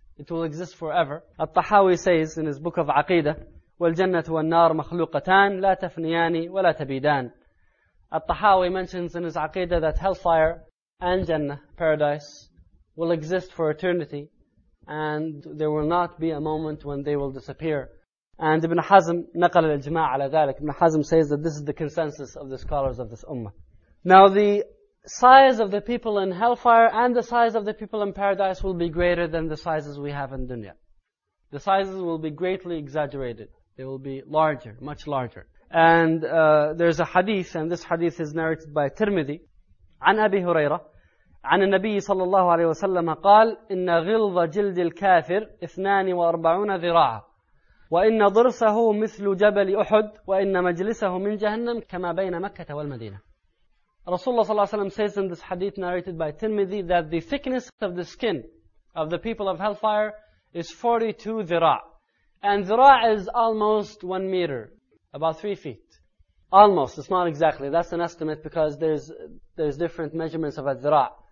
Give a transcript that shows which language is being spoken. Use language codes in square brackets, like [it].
[en] It will exist forever. At-Tahawi says in his book of Aqidah, [ar] وَالْجَنَّةُ وَالنَّارُ مَخْلُوقَتَانِ لَا تَفْنِيَانِ وَلَا تَبِيدَانِ. [en] At-Tahawi mentions in his Aqidah that hellfire and Jannah, paradise, will exist for eternity, and there will not be a moment when they will disappear. [ar] And Ibn Hazm نقل الإجماع على ذلك. [en] Ibn Hazm says that this is the consensus of the scholars of this ummah. Now the size of the people in hellfire and the size of the people in paradise will be greater than the sizes we have in dunya. The sizes will be greatly exaggerated. They will be larger, much larger. And there's a hadith, and this hadith is narrated by Tirmidhi, [ar] عن أبي هريرة عن النبي صلى الله عليه وسلم قال إن غلظ جلد الكافر 42 ذراعا وإن ضرسه مثل جبل أحد وإن مجلسه من جهنم كما بين مكة والمدينة. [en] Rasulullah sallallahu alayhi wa sallam says in this hadith narrated by Tirmidhi that the thickness of the skin of the people of hellfire is 42 dhira'. And dhira' is almost 1 meter, about 3 feet. Almost, it's not exactly. That's an estimate because there's different measurements of a dhira'.